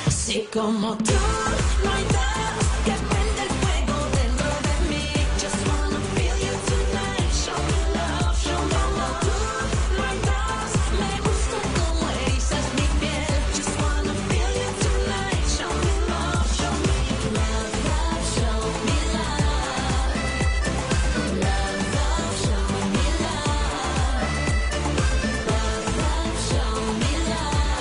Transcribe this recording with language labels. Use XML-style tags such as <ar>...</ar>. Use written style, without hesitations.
<es>Y como tú, no hay dos que prende el fuego dentro de mí.</es> <en>Just wanna feel you tonight. Show me love, show me love.</en> <es>Tú, no hay dos, me gusta como erizas mi piel.</es> <en>Just wanna feel you tonight. Show me love, show me love, love, show me love. Love, love, show me love. Love, love, show me love.</en>